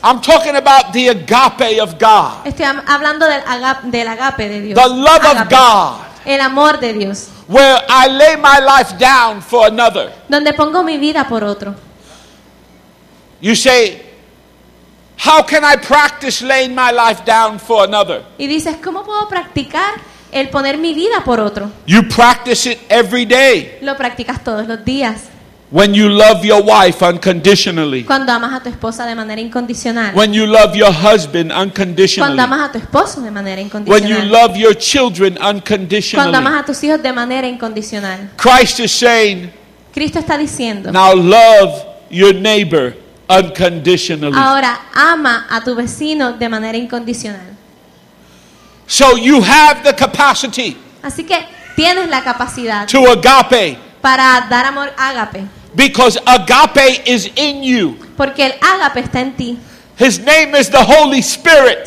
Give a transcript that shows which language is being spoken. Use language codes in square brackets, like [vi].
[en] I'm talking about the agape of God. [es] Estoy hablando del agape de Dios. [en] The love [es] agape. [en] Of God. [es] El amor de Dios. [en] Where I lay my life down for another. [es] Donde pongo mi vida por otro. [en] You say, how can I practice laying my life down for another? [es] Y dices, ¿cómo puedo practicar el poner mi vida por otro? [en] You practice it every day. [es] Lo practicas todos los días. [en] When you love your wife unconditionally. [es] Cuando amas a tu esposa de manera incondicional. [en] When you love your husband unconditionally. [es] Cuando amas a tu esposo de manera incondicional. [en] When you love your children unconditionally. [es] Cuando amas a tus hijos de manera incondicional. [en] Christ is saying, [es] Cristo está diciendo, [en] now love your neighbor unconditionally. [es] Ahora ama a tu vecino de manera incondicional. [en] So you have the capacity. [es] Así que tienes la capacidad. [en] To agape. [es] Para dar amor ágape. [en] Because agape is in you. [es] Porque el ágape está en ti. [en] His name is the Holy Spirit.